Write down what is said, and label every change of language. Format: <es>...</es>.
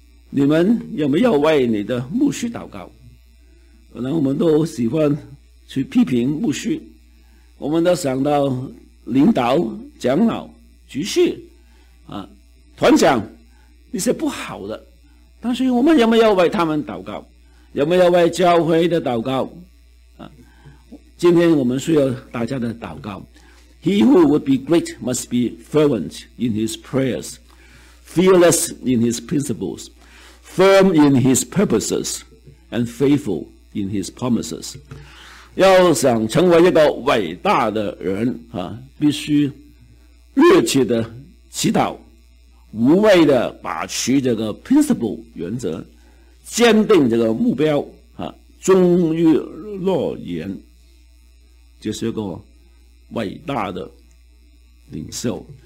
<zh>你们有没有为你的牧师祷告？可能我们都喜欢去批评牧师，我们都想到领导、长老、局势啊、团长那些不好的，但是我们有没有为他们祷告？有没有为教会的祷告啊？今天我们需要大家的祷告。</zh> <en>He who would be great must be fervent in his prayers, fearless in his principles, firm in his purposes, and faithful in his promises.</en> <zh>要想成为一个伟大的人，啊，必须热切的祈祷，无畏的把持这个 principle 原则，坚定这个目标，啊，忠于诺言，这是一个伟大的领袖。</zh>